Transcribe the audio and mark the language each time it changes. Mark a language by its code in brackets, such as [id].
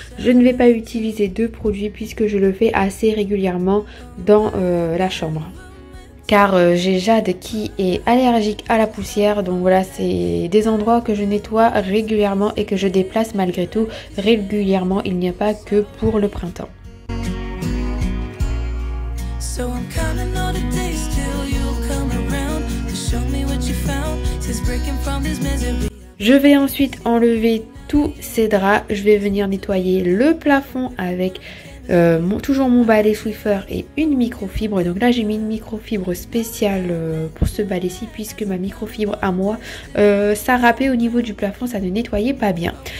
[fr] Je ne vais pas utiliser deux produits puisque je le fais assez régulièrement dans la chambre. Car j'ai Jade qui est allergique à la poussière, donc voilà, c'est des endroits que je nettoie régulièrement et que je déplace malgré tout régulièrement. Il n'y a pas que pour le printemps. [en] So I'm counting all the days till you'll come around to show me what you found since breaking from this misery. [fr] Je vais ensuite enlever tous ces draps. Je vais venir nettoyer le plafond avec toujours mon balai Swiffer et une microfibre. Donc là j'ai mis une microfibre spéciale pour ce balai-ci puisque ma microfibre à moi, ça râpait au niveau du plafond, ça ne nettoyait pas bien.